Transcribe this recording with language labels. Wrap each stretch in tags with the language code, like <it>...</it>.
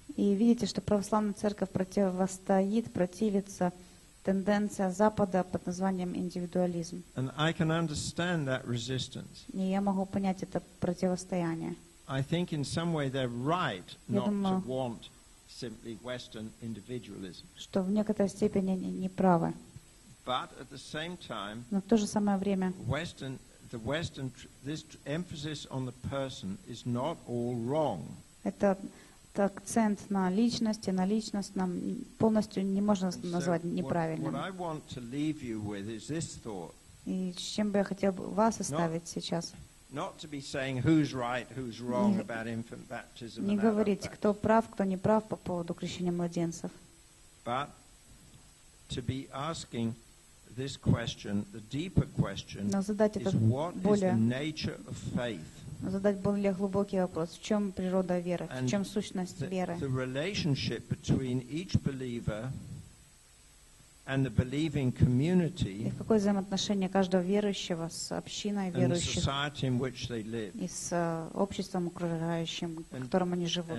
<ru>И видите, что православная церковь противостоит, противится. Тенденция Запада под названием индивидуализм.</ru> <en>And I can understand that resistance.</en> <ru>И я могу понять это противостояние.</ru> <en>I think in some way they're right not to want simply Western individualism.</en> <ru>Что в некоторой степени не правы.</ru> <en>But at the same time,</en> <ru>но в то же самое время,</ru> <en>this emphasis on the person is not all wrong.</en> <ru>Это акцент на личности, на личностном полностью не можно назвать неправильным.</ru> <en>What I want to leave you with is this thought.</en> <ru>И с чем бы я хотел вас оставить сейчас?</ru> <en>Not to be saying who's right, who's wrong about infant baptism.</en> <ru>Не говорить, кто прав, кто не прав по поводу крещения младенцев.</ru> <en>But to be asking this question, the deeper question, is what is the nature of faith?</en> <ru>Задать более глубокий вопрос: в чем природа веры, в чем сущность веры?</ru> <en>The relationship between each believer and the believing community,</en> <ru>и какое взаимоотношение каждого верующего с общиной верующих,</ru> <en>and the society in which they live,</en> <ru>и с обществом окружающим, в котором они живут.</ru>